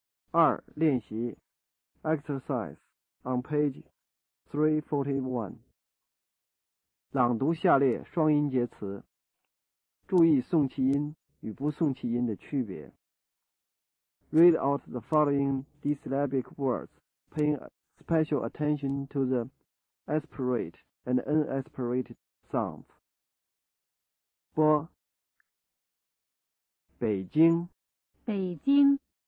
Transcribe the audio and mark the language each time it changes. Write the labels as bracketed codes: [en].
[zh] 二练习 ，exercise on page 341。朗读下列双音节词，注意送气音与不送气音的区别。 [en] Read out the following disyllabic words, paying special attention to the aspirate and unaspirated sounds. [zh] 波，北京，北京。